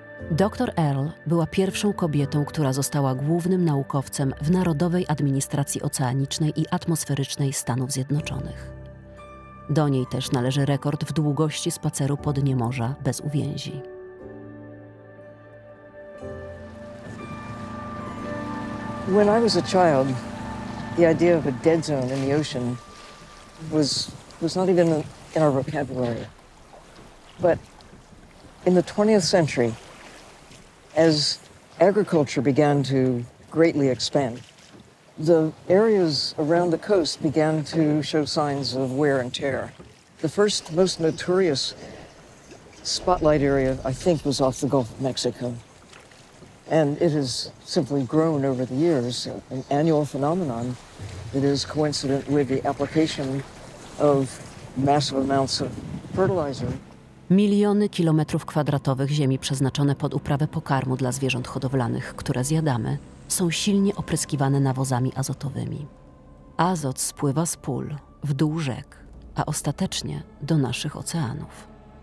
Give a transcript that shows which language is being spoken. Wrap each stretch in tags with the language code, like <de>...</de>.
<pl>Dr Earle była pierwszą kobietą, która została głównym naukowcem w Narodowej Administracji Oceanicznej i Atmosferycznej Stanów Zjednoczonych. Do niej też należy rekord w długości spaceru po dnie morza bez uwięzi.</pl> <en>When I was a child, the idea of a dead zone in the ocean was not even in our vocabulary. But in the 20th century, as agriculture began to greatly expand, the areas around the coast began to show signs of wear and tear. The first most notorious spotlight area, I think, was off the Gulf of Mexico. And it has simply grown over the years, an annual phenomenon that is coincident with the application of massive amounts of fertilizer.</en> <pl>Miliony kilometrów kwadratowych ziemi przeznaczone pod uprawę pokarmu dla zwierząt hodowlanych, które zjadamy, są silnie opryskiwane nawozami azotowymi. Azot spływa z pól w dół rzek, a ostatecznie do naszych oceanów.</pl>